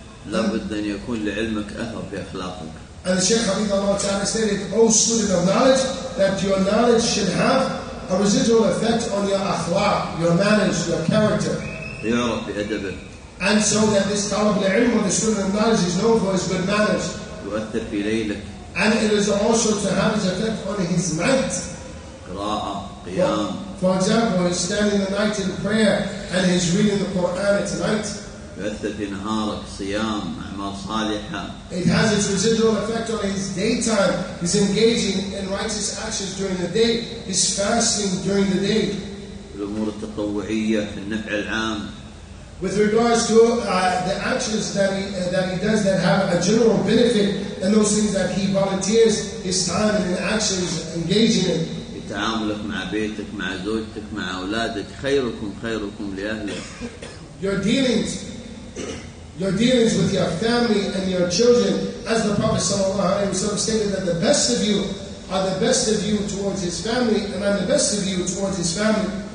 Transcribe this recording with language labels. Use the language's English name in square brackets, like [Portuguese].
[Arabic] لابد أن يكون لعلمك أثر في أخلاقك. [English] And the Shaykh Hafidhullah Ta'ala stated, O student of knowledge, that your knowledge should have a residual effect on your akhlaq, your manners, your character. [Arabic] يعرف بأدبه. [English] And so that this talib al-ilm, or the student of knowledge, is known for his good manners. [Arabic] يؤثر في ليلك. [English] And it is also to have his effect on his night. [Arabic] قراءة, قيام. [English] For example, his standing the night in prayer and his reading the Quran at night. [Arabic] يؤثر في نهارك صيام أعمال صالحة. [English] It has its residual effect on his daytime. He's engaging in righteous actions during the day. He's fasting during the day. [Arabic] الأمور التطوعية في النفع العام. [English] With regards to the actions that he does that have a general benefit, and those things that he volunteers his time and actions engaging in. [Arabic] تعاملك مع بيتك مع زوجتك مع أولادك خيركم خيركم لأهلك. [English] Your dealings with your family and your children, as the Prophet sallallahu alaihi wasallam stated, that the best of you are the best of you towards his family, and I'm the best of you towards his family.